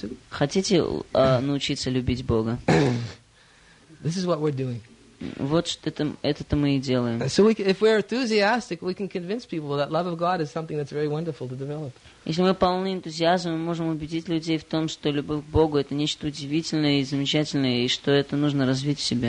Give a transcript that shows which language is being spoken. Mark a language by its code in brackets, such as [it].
[ru] Хотите научиться любить Бога? [en] This is what we're doing. [ru] Вот это мы и делаем. [en] So if we're enthusiastic, we can convince people that love of God is something that's very wonderful to develop. [ru] Если мы полны энтузиазма, мы можем убедить людей в том, что любовь к Богу это нечто удивительное и замечательное, и что это нужно развить в себе.